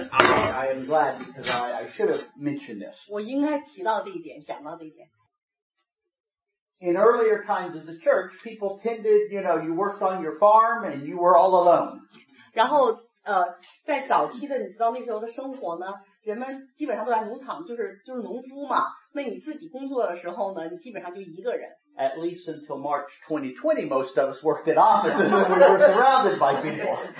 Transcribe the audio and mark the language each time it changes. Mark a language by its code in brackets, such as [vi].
[en] And I am glad because I should have mentioned this. [zh] 我应该提到这一点,讲到这一点。 [en] In earlier times of the church, people tended, you know, you worked on your farm and you were all alone. [zh] 然后,在早期的,你知道那时候的生活呢, 人们基本上都在农场,就是农夫嘛, 那你自己工作的时候呢,你基本上就一个人。 [en] At least until March 2020, most of us worked in offices and we were surrounded by people.